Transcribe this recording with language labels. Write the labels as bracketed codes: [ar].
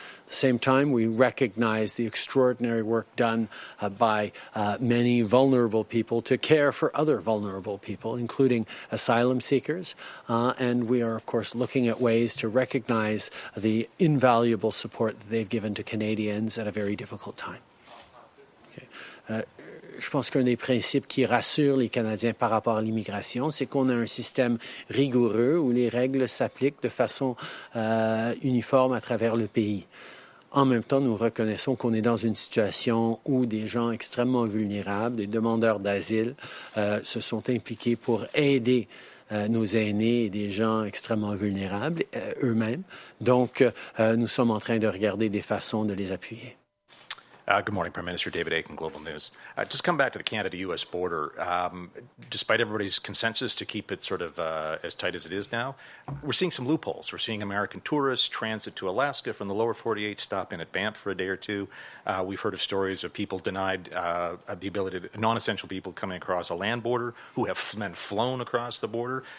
[en] At the same time, we recognize the extraordinary work done by many vulnerable people to care for other vulnerable people, including asylum seekers. And we are, of course, looking at ways to recognize the invaluable support that they've given to Canadians at a very difficult time. Okay. [fr] Je pense qu'un des principes qui rassure les Canadiens par rapport à l'immigration, c'est qu'on a un système rigoureux où les règles s'appliquent de façon uniforme à travers le pays. En même temps, nous reconnaissons qu'on est dans une situation où des gens extrêmement vulnérables, des demandeurs d'asile, se sont impliqués pour aider nos aînés et des gens extrêmement vulnérables eux-mêmes. Donc, nous sommes en train de regarder des façons de les appuyer. [en] Good morning, Prime Minister David Aiken, Global News. Just come back to the Canada-U.S. border. Despite everybody's consensus to keep it sort of as tight as it is now, we're seeing some loopholes. We're seeing American tourists transit to Alaska from the lower 48, stop in at Banff for a day or two. We've heard of stories of people denied the ability to, non-essential people coming across a land border who have then flown across the border.